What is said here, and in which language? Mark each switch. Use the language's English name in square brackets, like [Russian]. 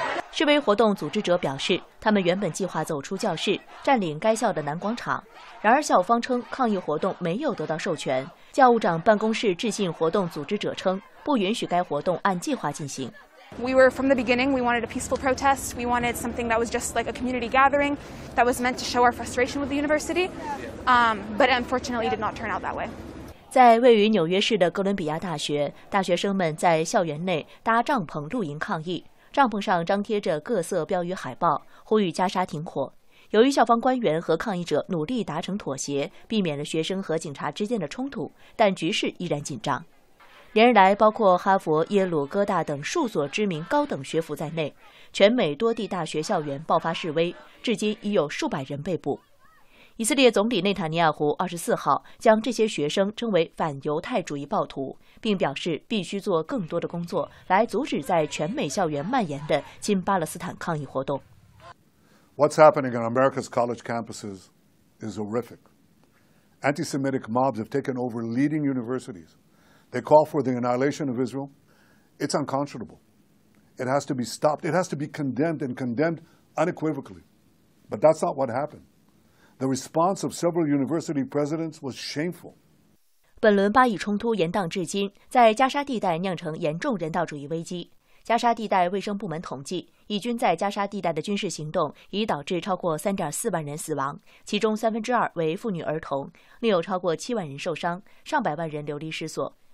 [Chinese] 示威活动组织者表示，他们原本计划走出教室，占领该校的南广场。然而校方称抗议活动没有得到授权，教务长办公室致信活动组织者称，不允许该活动按计划进行。 [English] We were from the beginning. We wanted a peaceful protest. We wanted something that was just like a community gathering, that was meant to show our frustration with the university. But unfortunately, did not turn out that way. [Chinese] 在位于纽约市的哥伦比亚大学，大学生们在校园内搭帐篷露营抗议，帐篷上张贴着各色标语海报，呼吁加沙停火。由于校方官员和抗议者努力达成妥协，避免了学生和警察之间的冲突，但局势依然紧张。连日来，包括哈佛、耶鲁、哥大等数所知名高等学府在内，全美多地大学校园爆发示威，至今已有数百人被捕。以色列总理内塔尼亚胡24号将这些学生称为反犹太主义暴徒，并表示必须做更多的工作来阻止在全美校园蔓延的亲巴勒斯坦抗议活动。 [English] What's happening on America's college campuses is horrific. Anti-Semitic mobs have taken over leading universities. They call for the annihilation of Israel. It's unconscionable. It has to be stopped. It has to be condemned and condemned unequivocally. But that's not what happened. The response of several university presidents was shameful. [Chinese] 本轮巴以冲突延宕至今，在加沙地带酿成严重人道主义危机。加沙地带卫生部门统计，以军在加沙地带的军事行动已导致超过3.4万人死亡，其中2/3为妇女儿童，另有超过7万人受伤，上百万人流离失所。